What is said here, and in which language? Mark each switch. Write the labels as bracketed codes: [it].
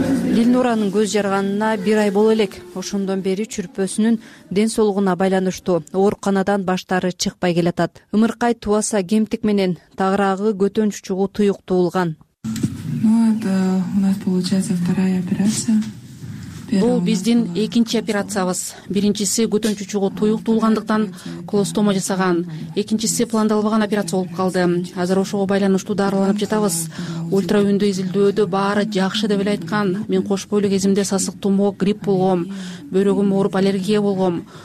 [ky] Дилнур Нюранын көз жарганына бир ай боло элек. Ошондон бери чүрпөсүнүн ден соолугуна байланыштуу ооруканадан баштары чыкпай келатат. Ымыркай тубаса кемтик менен тагыраагы көтөн чучугу туюктуулган. [ru] Ну это у нас получается вторая операция. [ky] Бул биздин экинчи операциябыз. Биринчиси көтөн чучугу туюктуулгандыктан колостома жасаган. Экинчиси пландалбаган операция болуп калды. Азыр ошого байланыштуу дарыланып жатабыз. Ультраүндү изилдөөдө баары жакшы деп эле айткан. Мен кош бойлу кезимде сасык тумоо, грипп болгом, бөйрөгүм ооруп аллергия болгом.